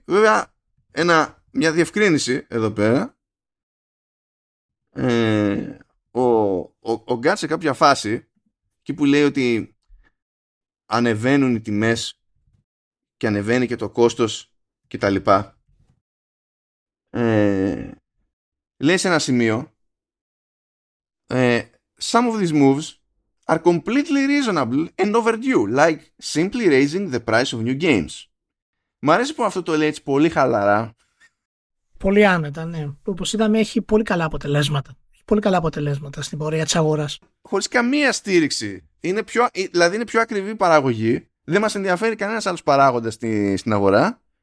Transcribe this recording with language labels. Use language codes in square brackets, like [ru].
[el] Βέβαια, μια διευκρίνηση εδώ πέρα. Ο Γκάτ σε κάποια φάση εκεί που λέει ότι ανεβαίνουν οι τιμές και ανεβαίνει και το κόστος και τα λοιπά. Λέει σε ένα σημείο [en] some of these moves are completely reasonable and overdue, like simply raising the price of new games. [el] Μ' αρέσει που αυτό το λέει έτσι πολύ χαλαρά. Πολύ άνετα, ναι. Όπως είδαμε, έχει πολύ καλά αποτελέσματα. Έχει πολύ καλά αποτελέσματα στην πορεία της αγοράς. Χωρίς καμία στήριξη. Δηλαδή είναι πιο ακριβή παραγωγή. Δεν μας ενδιαφέρει κανένας άλλος παράγοντας στην αγορά.